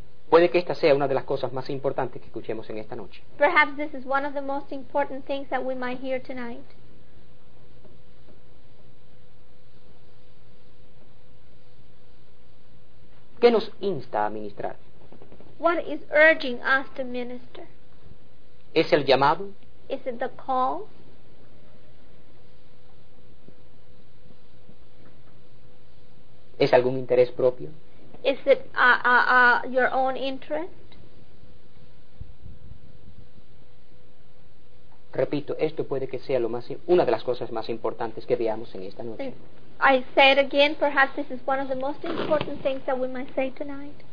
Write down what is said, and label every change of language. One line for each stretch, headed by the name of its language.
Spanish: Puede que esta sea una de las cosas más importantes que escuchemos en esta noche.
English: Perhaps this is one of the most important things that we might hear tonight.
Spanish: ¿Qué nos insta a ministrar?
English: What is urging us to minister?
Spanish: ¿Es el llamado?
English: Is it the call?
Spanish: ¿Es algún interés propio?
English: Is it your own interest?
Spanish: Repito, esto puede que sea una de las cosas más importantes que veamos en esta noche.
English: I say it again, perhaps this is one of the most important things that we might say tonight.